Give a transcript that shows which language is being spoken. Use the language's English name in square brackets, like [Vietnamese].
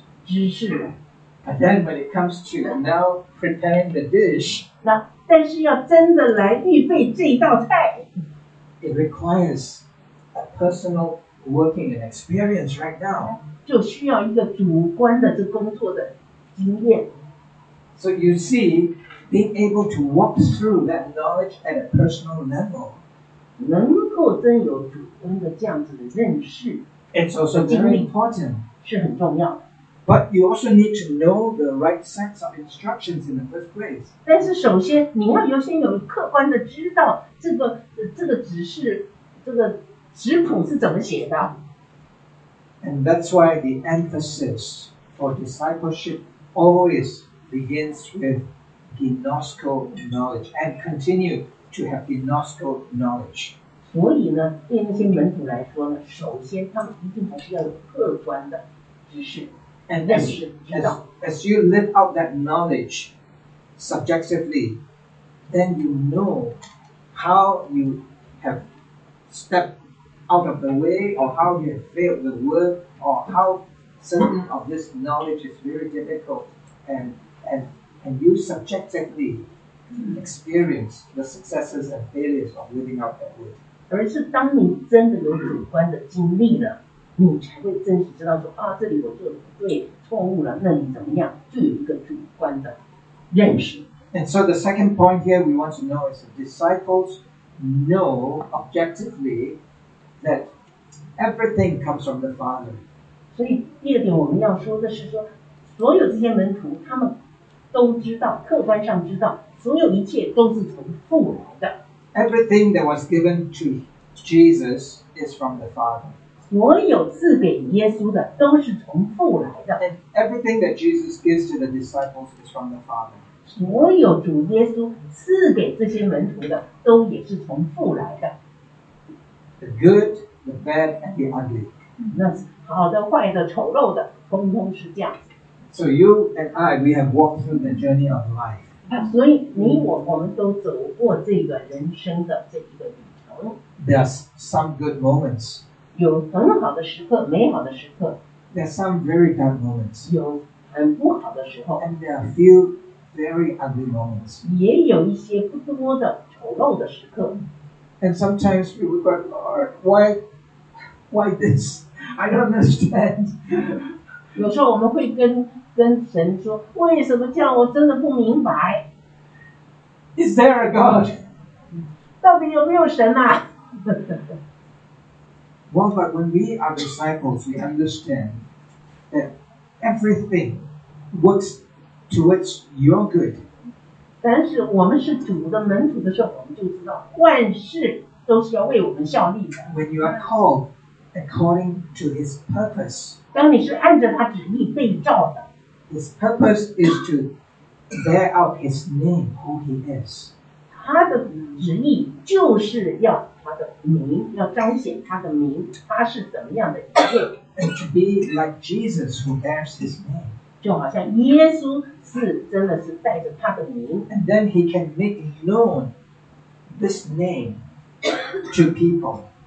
[Chinese] 知识。 [English] And then when it comes to now preparing the dish, [Chinese] 那但是要真的来预备这一道菜。 [English] It requires a personal working and experience right now. [Chinese] 就需要一个主观的这工作的经验。 [English] So you see, being able to walk through that knowledge at a personal level, [Chinese] 能够真有主观的这样子的认识。 [English] It's also very important. [Chinese] 是很重要的。 [English] But you also need to know the right sets of instructions in the first place. [Chinese] 但是首先你要优先有客观的知道这个指示这个指谱是怎么写的。 [English] And that's why the emphasis for discipleship always begins with gnosko knowledge and continue to have gnosko knowledge. [Chinese] 所以呢，对那些门徒来说呢，首先他们一定还是要有客观的知识。 [English] And as you live out that knowledge subjectively, then you know how you have stepped out of the way, or how you have failed the work, or how certain of this knowledge is very difficult, and you subjectively experience the successes and failures of living out that word. [Chinese] 而是当你真的有主观的经历了。你才会真实知道说啊，这里我做的不对，错误了，那你怎么样？就有一个主观的认识。 [English] And so the second point here we want to know is the disciples know objectively that everything comes from the Father. [Chinese] 所以第二点我们要说的是说，所有这些门徒他们都知道，客观上知道，所有一切都是从父来的。 [English] Everything that was given to Jesus is from the Father. [Chinese] 所有赐给耶稣的都是从父来的。 [English] And everything that Jesus gives to the disciples is from the Father. [Chinese] 所有主耶稣赐给这些门徒的都也是从父来的。 [English] The good, the bad, and the ugly. [Chinese] 那好的、坏的、丑陋的通通是这样子。 [English] So you and I, we have walked through the journey of life. [Chinese] 所以你我我们都走过这个人生的这一个旅程。 [English] There are some good moments. [Chinese] 有很好的时刻，美好的时刻。 [English] There are some very dark moments. [Chinese] 有很不好的时候。 [English] And there are few very ugly moments. [Chinese] 也有一些不多的丑陋的时刻。 [English] And sometimes we would go, Lord, why this? I don't understand. [Chinese] 有时候我们会跟神说，为什么这样？我真的不明白。 [English] Is there a God? [Chinese] 到底有没有神啊？ [English] Well, but when we are disciples, we understand that everything works towards your good. [Chinese] 但是我们是主的门徒的时候，我们就知道万事都是要为我们效力的。 [English] When you are called according to His purpose, [Chinese] 当你是按着他旨意被召的 [English] ，His purpose is to bear out His name, who He is. [Chinese] 他的旨意就是要他的名，要彰显他的名，他是怎么样的一个。 [English] And to be like Jesus, who bears His name. [Chinese] 就好像耶稣。是真的是带着他的名 [English] and then he can make known this name to people